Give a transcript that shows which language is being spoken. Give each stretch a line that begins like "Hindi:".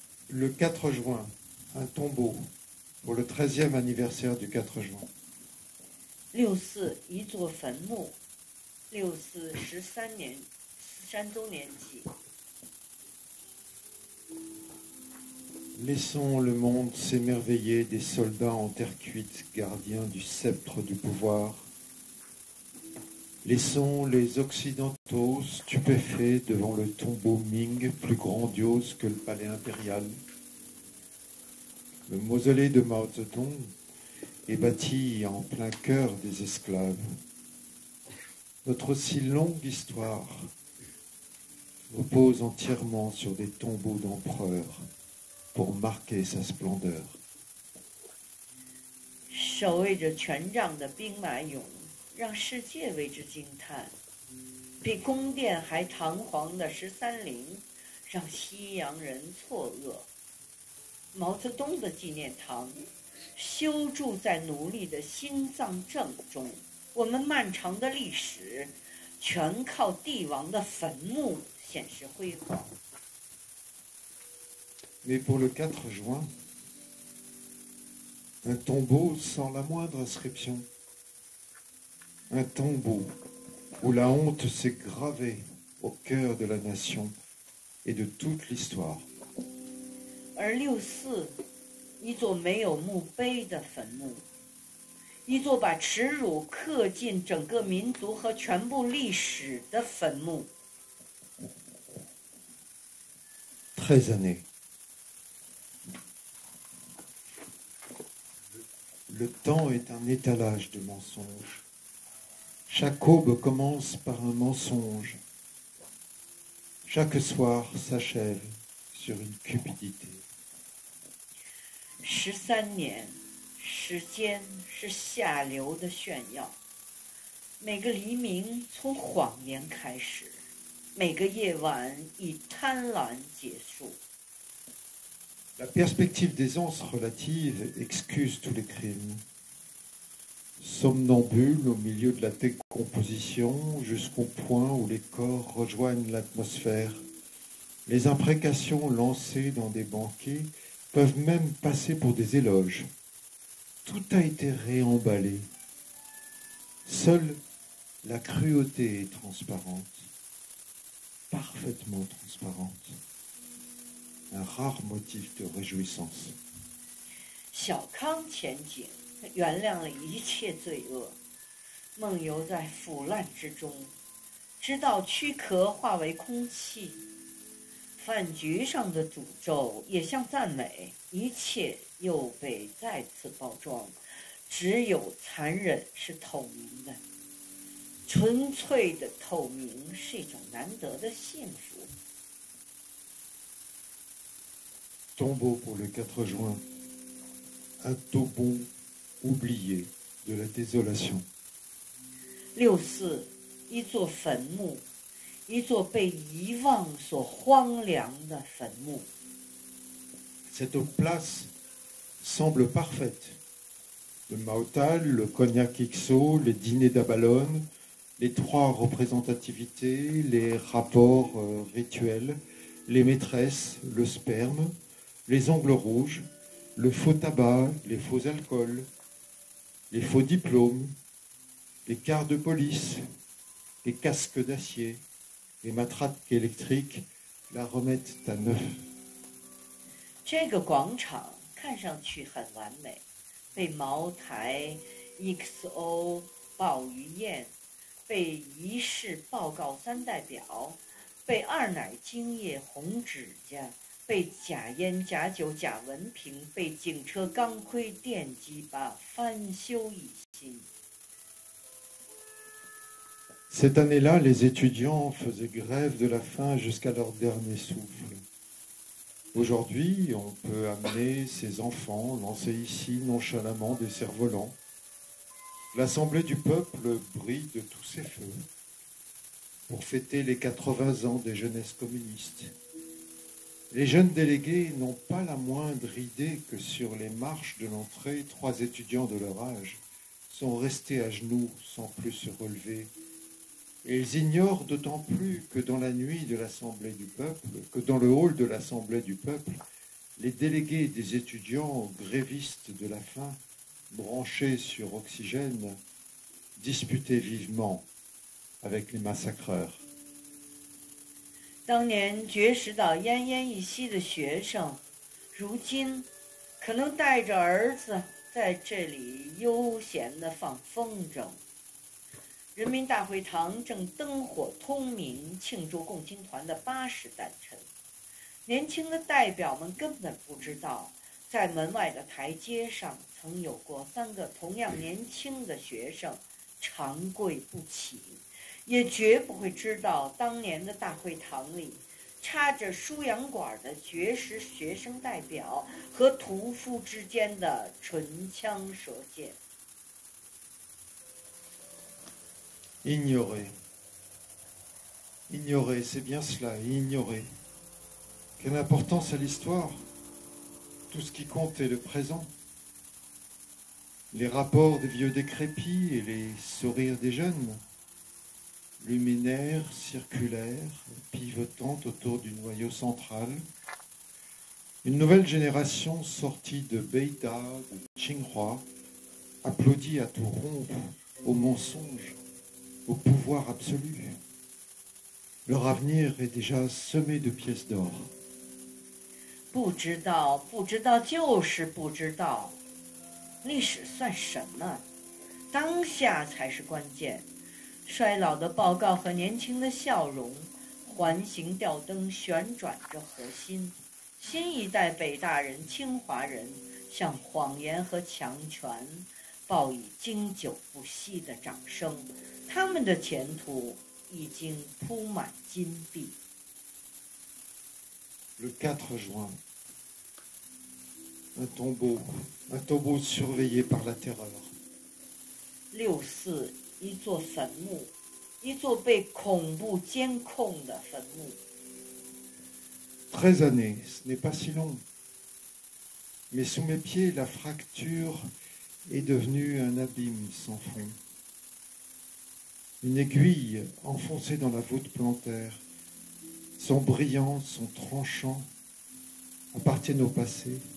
French: Le 4 juin, un tombeau pour le 13e anniversaire du 4 juin.
Chinese: 六四一座坟墓，六四13周年祭。
French: Laissons le monde s'émerveiller des soldats en terre cuite, gardiens du sceptre du pouvoir. Laissons les Occidentaux stupéfaits devant le tombeau Ming, plus grandiose que le palais impérial. Le mausolée de Mao Zedong est bâti en plein cœur des esclaves. Notre si longue histoire repose entièrement sur des tombeaux d'empereurs pour marquer sa splendeur.
Chinese: 守卫着权杖的兵马俑，让世界为之惊叹；比宫殿还堂皇的十三陵，让西洋人错愕。毛泽东的纪念堂，修筑在奴隶的心脏正中。我们漫长的历史，全靠帝王的坟墓显示辉煌。
French: Mais pour le 4 juin, un tombeau sans la moindre inscription, un tombeau où la honte s'est gravée au cœur de la nation et de toute l'histoire.
Chinese: 而六四，一座没有墓碑的坟墓，一座把耻辱刻进整个民族和全部历史的坟墓。
French: 13 années. Le temps est un étalage de mensonges. Chaque aube commence par un mensonge. Chaque soir s'achève sur une cupidité.
Chinese: 十三年，时间是下流的炫耀。每个黎明从谎言开始，每个夜晚以贪婪结束。
French: La perspective d'aisance relative excuse tous les crimes. Somnambule au milieu de la décomposition jusqu'au point où les corps rejoignent l'atmosphère, les imprécations lancées dans des banquets peuvent même passer pour des éloges. Tout a été réemballé. Seule la cruauté est transparente, parfaitement transparente. Un rare motif de réjouissance.
Chinese: 小康前景原谅了一切罪恶，梦游在腐烂之中，直到躯壳化为空气。饭局上的诅咒也像赞美，一切又被再次包装。只有残忍是透明的，纯粹的透明是一种难得的幸福。
French: Tombeau pour le 4 juin, un tombeau oublié de la désolation.
Chinese: 六四，一座坟墓。一座被遗忘所荒凉的坟墓。
French: Cette place semble parfaite. Le Mautal, le cognac XO, les dîners d'Abalone, les trois représentativités, les rapports rituels, les maîtresses, le sperme, les ongles rouges, le faux tabac, les faux alcools, les faux diplômes, les cars de police, les casques d'acier. Les matraques électriques la remettent à neuf.
Chinese: 这个广场看上去很完美，被茅台、XO、鲍鱼宴、被仪式报告三代表、被二奶精液红指甲、被假烟、假酒、假文凭、被警车钢盔电击吧翻修一新。
French: Cette année-là, les étudiants faisaient grève de la faim jusqu'à leur dernier souffle. Aujourd'hui, on peut amener ses enfants, lancer ici nonchalamment des cerfs-volants. L'Assemblée du peuple brille de tous ses feux pour fêter les 80 ans des jeunesses communistes. Les jeunes délégués n'ont pas la moindre idée que sur les marches de l'entrée, trois étudiants de leur âge sont restés à genoux sans plus se relever. Et ils ignorent d'autant plus que dans la nuit de l'Assemblée du peuple, que dans le hall de l'Assemblée du peuple, les délégués des étudiants grévistes de la faim, branchés sur oxygène, disputaient vivement avec les massacreurs.
Chinese: 当年绝食到奄奄一息的学生，如今可能带着儿子在这里悠闲地放风筝。人民大会堂正灯火通明，庆祝共青团的80诞辰。年轻的代表们根本不知道，在门外的台阶上曾有过3个同样年轻的学生长跪不起，也绝不会知道当年的大会堂里插着输氧管的绝食学生代表和屠夫之间的唇枪舌剑。
French: Ignorer, ignorer, c'est bien cela, ignorer. Quelle importance à l'histoire? Tout ce qui compte est le présent. Les rapports des vieux décrépits et les sourires des jeunes, luminaires, circulaires, pivotant autour du noyau central. Une nouvelle génération sortie de Beida, de Tsinghua, applaudit à tout rompre, au mensonge, au pouvoir absolu. Leur avenir est déjà semé de pièces d'or.
Chinese: 不知道，不知道，就是不知道。历史算什么？当下才是关键。衰老的报告和年轻的笑容，环形吊灯旋转着核心。新一代北大人、清华人向谎言和强权报以经久不息的掌声。他们的前途已经铺满金币。
French: Le 4 juin, un tombeau surveillé par la terreur.
Chinese: 六四，一座坟墓，一座被恐怖监控的坟墓。
French: 13 années, ce n'est pas si long. Mais sous mes pieds, la fracture est devenue un abîme sans fond. Une aiguille enfoncée dans la voûte plantaire. Son brillant, son tranchant appartiennent au passé.